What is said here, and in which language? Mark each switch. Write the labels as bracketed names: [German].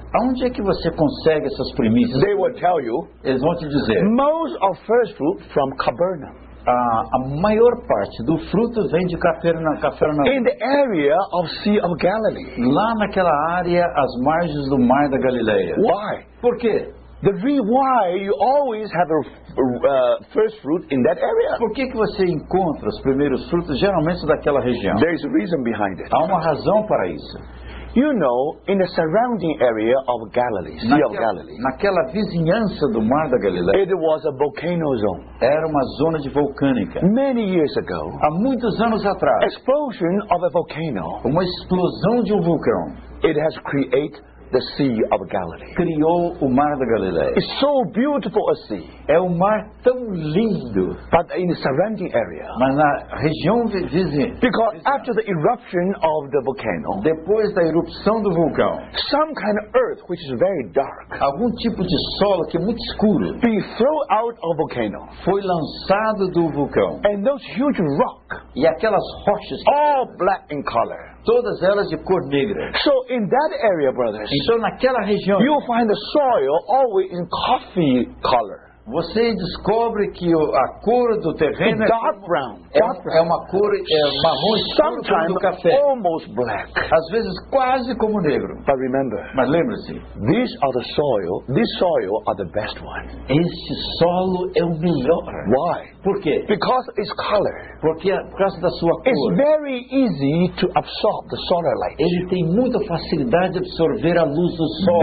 [Portuguese] Aonde é que você consegue essas primícias? [English] They will tell you. [Portuguese] Eles vão te dizer. [English] Most of first fruit from Capernaum. [Portuguese] A maior parte do fruto vem de Cafarnaum. [English] In the area of Sea of Galilee. [Portuguese] Lá naquela área, às margens do Mar da Galileia. [English] Why? [Portuguese] Por quê? [English] The reason why you always have a first fruit in that area. [Portuguese] Por que que você encontra os primeiros frutos geralmente daquela região? [English] There is a reason behind it. [Portuguese] Há uma razão para isso. [English] You know, in the surrounding area of Galilee, Sea of Galilee. [Portuguese] Naquela vizinhança do Mar da Galileia. [English] It was a volcano zone. [Portuguese] Era uma zona de volcânica. [English] Many years ago. [Portuguese] Há muitos anos atrás. [English] Explosion of a volcano. [Portuguese] Uma explosão de vulcão. [English] It has created the Sea of Galilee. [Portuguese] Criou o Mar da Galileia. [English] It's so beautiful a sea. [Portuguese] É um mar tão lindo. [English] But in the surrounding area. [Portuguese] Mas na região vizinha. [English] Because after the eruption of the volcano. [Portuguese] Depois da erupção do vulcão. [English] Some kind of earth which is very dark. [Portuguese] Algum tipo de solo que é muito escuro. [English] Being thrown out of volcano. [Portuguese] Foi lançado do vulcão. [English] And those huge rock. [Portuguese] E aquelas rochas. [English] All black in color. [Portuguese] Todas elas de cor negra. [English] So in that area, brothers. [Portuguese] Então naquela região. [English] You find the soil always in coffee color. [Portuguese] Você descobre que a cor do terreno [English] dark dark brown. [Portuguese] É uma cor marrom escuro do café. [English] Almost black. [Portuguese] Às vezes quase como negro. [English] But remember. [Portuguese] Mas lembre-se. [English] These are the soil. This soil are the best one. [Portuguese] Esse solo é o melhor. [English] Why? [Portuguese] Por quê? [English] Because its color. [Portuguese] Porque por causa da sua cor. [English] It's very easy to absorb the solar light. [Portuguese] Ele tem muita facilidade de absorver a luz do sol.